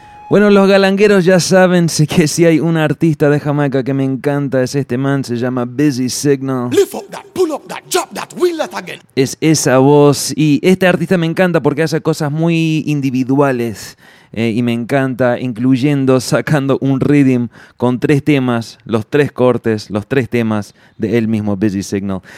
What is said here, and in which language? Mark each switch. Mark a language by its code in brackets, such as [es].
[es] Bueno, los galangueros ya saben, sé que si hay un artista de Jamaica que me encanta es este man, se llama Busy Signal. [en] Lift up that, pull up that, drop that, wheel that again. [es] Es esa voz y este artista me encanta porque hace cosas muy individuales y me encanta incluyendo sacando un rhythm con tres temas, los tres cortes, los tres temas de él mismo, Busy Signal.